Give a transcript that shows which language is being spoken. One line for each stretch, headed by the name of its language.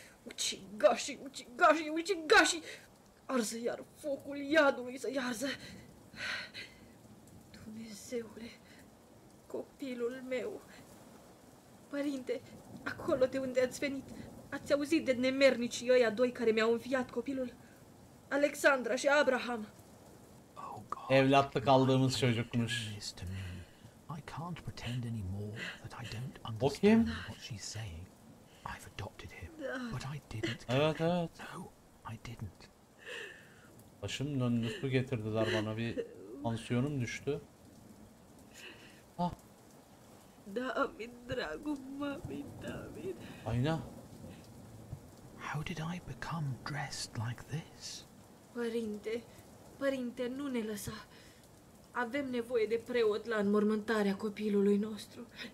Romanian: Ucigași, ucigași, ucigași! Arză iar focul iadului să-i arză. Dumnezeule, copilul meu. Părinte, acolo de unde ați venit, ați auzit de nemernicii ăia doi care mi-au înviat copilul? Alexandra și Abraham.
English: Oh God,
Turkish: evlatlık aldığımız çocukmuş.
English: I can't pretend anymore that I don't understand what she's saying. I've adopted him, but I didn't.
Turkish: Evet, evet.
English: No, I didn't.
Turkish: Başım döndü, su getirdiler bana, bir tansiyonum düştü. Ha.
Romanian: David, dragul mami, David.
Turkish: Ayna.
English: How did I become dressed like this?
Romanian: Părinte, părinte, nu ne lăsa. Avem nevoie de preot la înmormântarea copilului nostru.